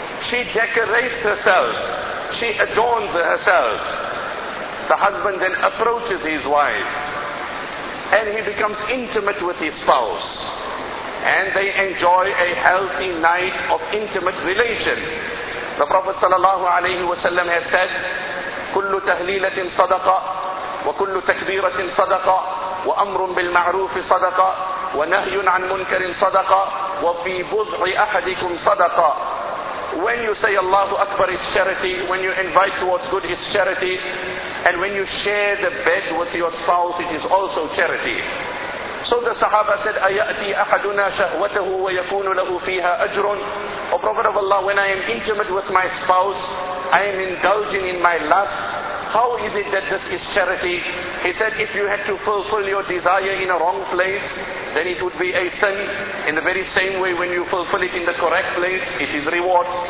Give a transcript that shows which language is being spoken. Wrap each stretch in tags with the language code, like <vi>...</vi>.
<en>She decorates herself. She adorns herself. The husband then approaches his wife. And he becomes intimate with his spouse. And they enjoy a healthy night of intimate relation. The Prophet sallallahu alayhi wa sallam has said,</en> <ar>كل تهليلة صدقة وكل تكبيرة صدقة وأمر بالمعروف صدقة ونهي عن منكر صدقة وفي بضع أحدكم صدقة.</ar> <en>When you say Allahu Akbar is charity, when you invite towards good is charity, and when you share the bed with your spouse, it is also charity. So the Sahaba said,</en> <ar>أَيَأْتِي أَحَدُنَا شَهْوَتَهُ وَيَكُونُ لَهُ فِيهَا أَجْرٌ.</ar> <en>O Prophet of Allah, when I am intimate with my spouse, I am indulging in my lust, how is it that this is charity? He said, if you had to fulfill your desire in a wrong place, then it would be a sin. In the very same way, when you fulfill it in the correct place, it is reward.</en>